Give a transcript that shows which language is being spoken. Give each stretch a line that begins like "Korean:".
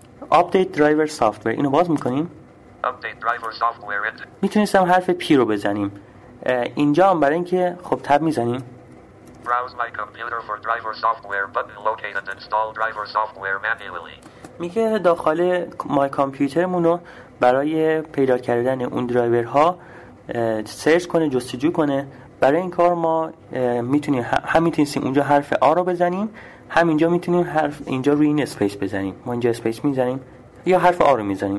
English: Update driver software.
Persian: اینو باز میکنیم.
English: Update driver software.
Persian: میتونستم حرف پی رو بزنیم. اینجا هم برای اینکه خب تب میزنیم.
English: Browse my computer for driver software button locate and install driver software manually.
Persian: میگه داخل مای کامپیوترمون رو برای پیدا کردن اون درایورها سرچ کنه، جستجو کنه. برای این کار ما میتونیم همینطوریم اونجا حرف آ رو بزنیم، همینجا میتونیم حرف اینجا روی این اسپیس بزنیم، ما اینجا اسپیس میزنیم یا حرف آ رو میزنیم.